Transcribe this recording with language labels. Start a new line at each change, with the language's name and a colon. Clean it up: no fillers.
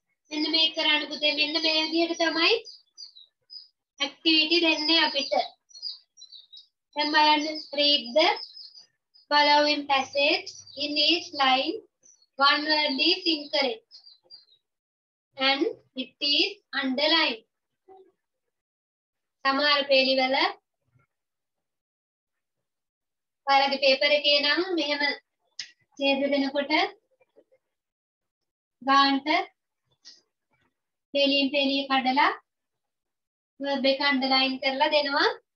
Sinhala: මෙන්න මේ කරන්න පුතේ, මෙන්න මේ විදිහට තමයි ඇක්ටිවිටි දෙන්නේ අපිට. දැන් බලන්න,
English: read the following passage in each line, one word is incorrect and it is underlined.
Sinhala: සමහර පෙළිවල බලද්දි paper එකේ නම් මෙහෙම ඡේද දෙනකොට ගන්නට පෙලින් පෙලි කඩලා verb එක underline කරලා දෙනවා.